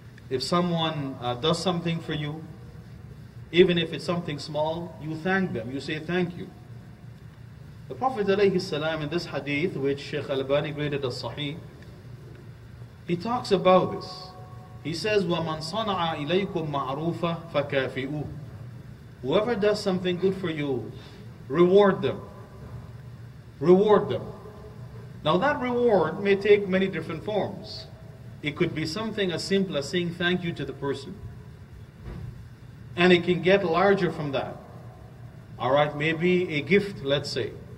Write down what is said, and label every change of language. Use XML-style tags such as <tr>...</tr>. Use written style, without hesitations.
<en>If someone does something for you, even if it's something small, you thank them, you say thank you. The Prophet ﷺ in this hadith, which Shaykh Al-Bani graded as sahih, he talks about this.</en> <ar>He says, وَمَنْ صَنَعَ إِلَيْكُمْ مَعْرُوفًا فَكَافِئُوا.</ar> <en>Whoever does something good for you, reward them. Reward them. Now that reward may take many different forms. It could be something as simple as saying thank you to the person. And it can get larger from that. Alright, maybe a gift, let's say.</en>